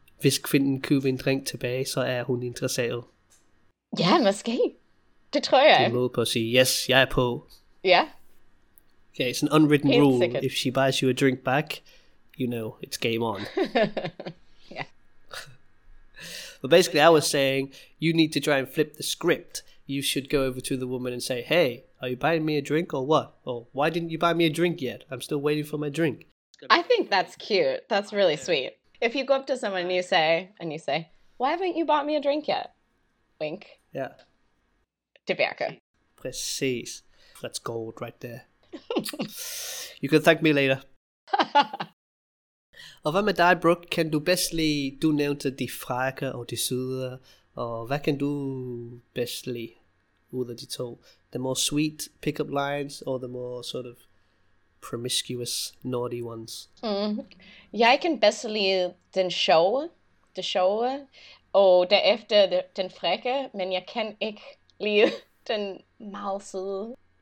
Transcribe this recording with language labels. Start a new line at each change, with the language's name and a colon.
Danish: Hvis kvinden køber en drink tilbage, så er hun interesseret. Ja, måske. Det tror jeg. Det er en måde på at sige, yes, jeg er på. Ja.
English: Okay, it's an unwritten rule.
Danish: Helt sikkert.
English: If she buys you a drink back, you know, it's game on. Yeah. But basically, I was saying, you need to try and flip the script. You should go over to the woman and say, hey, are you buying me a drink or what? Or why didn't you buy me a drink yet? I'm still waiting for my drink. I think that's cute. That's really sweet. If you go up to someone and you say, why haven't you bought me a drink yet? Wink. Yeah.
Danish: Det virker.
English: Præcis. That's gold right there. You can thank me later.
Danish: Og hvad med dig, Brooke? Kan du bedst lide, du nævnte de frække og de søde, og hvad kan du bedst lide? Ud af de to.
English: The more sweet pickup lines, or the more sort of promiscuous, naughty ones?
Danish: Jeg kan bedst lide den sjove, og derefter den frække, men jeg kan ikke lide den meget søde.